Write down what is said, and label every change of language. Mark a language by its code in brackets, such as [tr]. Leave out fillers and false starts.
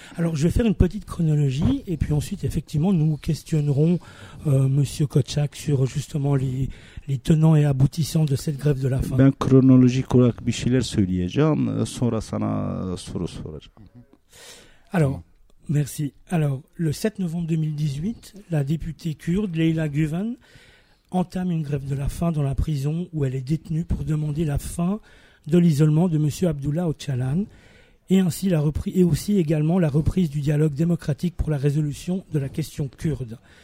[fr] Alors, je vais faire une petite chronologie et puis ensuite, effectivement, nous questionnerons Monsieur Koçak sur justement les tenants et aboutissants de cette grève de la faim. [tr] Ben chronologique olarak bir şeyler söyleyeceğim, sonra sana soru soracağım. [fr] Alors, merci. Alors, le 7 novembre 2018, la députée kurde Leyla Güven entame une grève de la faim dans la prison où elle est détenue pour demander la fin de l'isolement de Monsieur Abdullah Öcalan et ainsi la reprise et aussi également la reprise du dialogue démocratique pour la résolution de la question kurde.